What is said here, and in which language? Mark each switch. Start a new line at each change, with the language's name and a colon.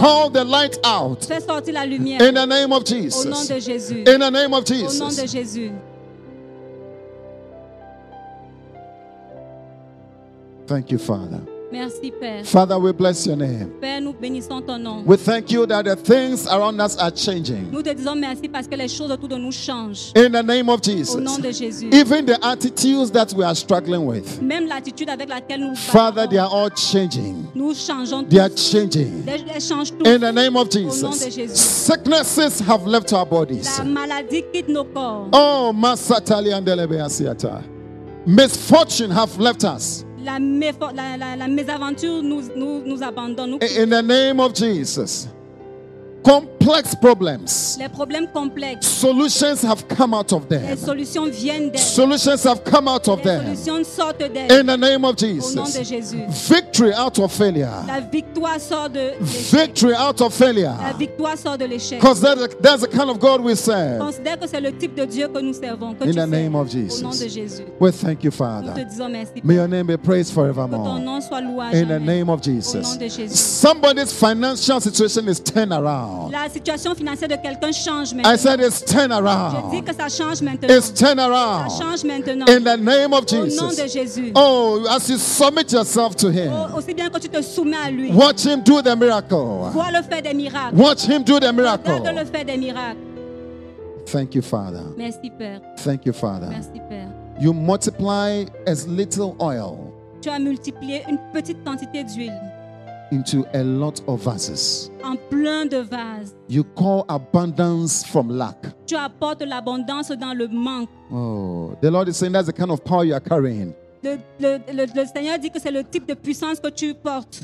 English: Call the light out.
French: Fais sortir la lumière.
English: In the name of Jesus.
French: Au nom de Jésus.
English: In the name of Jesus.
French: Au nom de Jésus.
English: Thank you, Father.
French: Merci, Père.
English: Father, we bless your name.
French: Père, nous bénissons ton nom.
English: We thank you that the things around us are changing.
French: Nous te disons merci parce que les choses autour de nous changent.
English: In the name of Jesus.
French: Au nom de Jésus.
English: Even the attitudes that we are struggling with.
French: Même l'attitude avec laquelle nous
English: Father, they are all changing.
French: Nous changeons
English: they are changing.
French: Les changent
English: tous. In the name of Jesus.
French: Au nom de Jésus.
English: Sicknesses have left our bodies.
French: La maladie quitte nos corps. Oh, Masatali Andelebe Asiata.
English: Misfortune have left us.
French: La mésaventure nous abandonne.
English: In the name of Jesus. Complex problems.
French: Les problèmes complexes.
English: Solutions have come out of them.
French: Les solutions viennent d'elles.
English: Solutions have come out of
French: Les
English: them.
French: Les solutions sortent d'elles.
English: In the name of Jesus.
French: Au nom de Jésus.
English: Victory out of failure.
French: La victoire sort de l'échec.
English: Victory out of failure.
French: La victoire sort de l'échec.
English: Because that's the kind of God we serve.
French: Considère que c'est le type de Dieu que nous servons.
English: In the name of Jesus.
French: Au nom de Jésus.
English: We thank you, Father.
French: Nous te disons merci.
English: May your name be praised forevermore.
French: Que ton nom soit loué à jamais.
English: In the name of Jesus.
French: Au nom de Jésus.
English: Somebody's financial situation is turned around.
French: La situation financière de quelqu'un change maintenant.
English: I said it's turn around.
French: Je dis que ça change maintenant.
English: It's turn around.
French: Ça change maintenant.
English: In the name of Jesus.
French: Au nom de Jésus.
English: Oh, as you submit yourself to him.
French: Oh, aussi bien que tu te soumets à lui.
English: Watch him do the miracle.
French: Vois le faire des miracles.
English: Watch him do the miracle.
French: Regarde le faire des miracles.
English: Thank you, Father.
French: Merci, Père.
English: Thank you, Father.
French: Merci, Père.
English: You multiply as little oil.
French: Tu as multiplié une petite quantité d'huile.
English: Into a lot of vases.
French: En plein de vases.
English: You call abundance from lack.
French: Tu apportes l'abondance dans le manque.
English: Oh, the Lord is saying that's the kind of power you are carrying.
French: Le Seigneur dit que c'est le type de puissance que tu portes.